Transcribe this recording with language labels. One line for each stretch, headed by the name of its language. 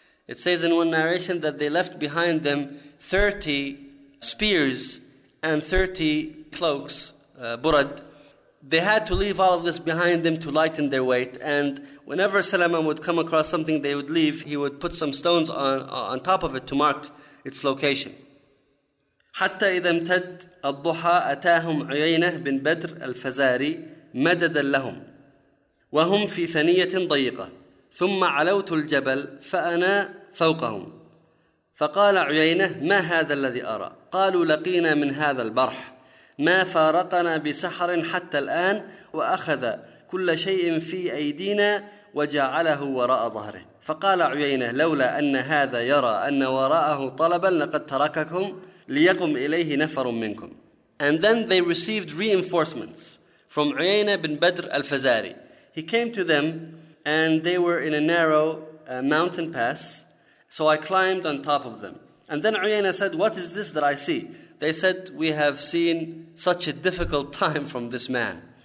English: It says in one narration that they left behind them 30 spears and 30 cloaks, burad. They had to leave all of this behind them to lighten their weight. And whenever Salama would come across something they would leave, he would put some stones on top of it to mark its location.
Arabic: حتى إذا امتد الضحى أتاهم عيينة بن بدر الفزاري مددا لهم وهم في ثنية ضيقة ثم علوت الجبل فأنا فوقهم فقال عيينة ما هذا الذي أرى قالوا لقينا من هذا البرح ما فارقنا بسحر حتى الآن وأخذ كل شيء في أيدينا وجعله وراء ظهره فقال عيينة لولا أن هذا يرى أن وراءه طلبا لقد ترككم ليقم إليه نفر منكم.
English: And then they received reinforcements from عيينة بن بدر الفزاري. He came to them and they were in a narrow mountain pass, so I climbed on top of them. And then عيينة said, what is this that I see? They said, we have seen such a difficult time from this man.